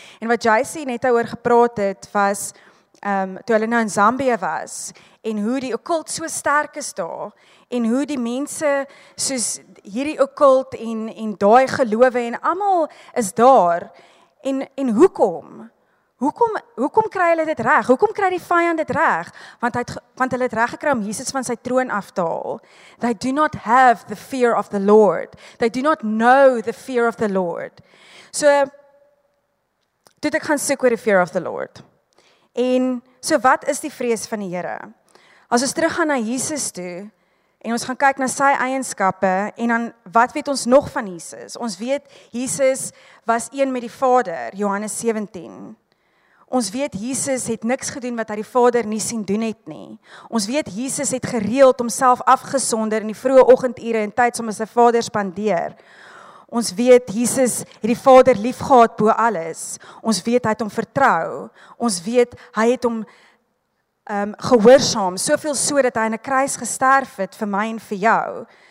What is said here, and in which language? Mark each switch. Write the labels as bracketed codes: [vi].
[af] En wat JC net daaroor gepraat het, was toe hulle nou in Zambië was, en hoe die okkult so sterk is daar, en hoe die mense soos hierdie okkult en daai gelowe en almal is daar, En hoekom? Hoekom kry hulle dit reg? Hoekom kry die vyand dit reg? Want hulle het reg gekry om Jesus van sy troon af te haal. [en] They do not have the fear of the Lord. They do not know the fear of the Lord. [af] So, toe ek gaan soek oor die [en] fear of the Lord. [af] En so wat is die vrees van die Here? As ons teruggaan na Jesus toe, en ons gaan kyk na sy eienskappe, en dan wat weet ons nog van Jesus? Ons weet Jesus was een met die Vader, Johannes 17. Ons weet Jesus het niks gedoen wat hy die Vader nie sien doen het nie. Ons weet Jesus het gereeld homself afgesonder in die vroeë oggendure en tyd saam met sy Vader spandeer. Ons weet Jesus het die Vader liefgehad bo alles. Ons weet hy het hom vertrou. Ons weet hy het hom gehoorsaam, soveel so dat hy aan 'n kruis gesterf het vir my en vir jou.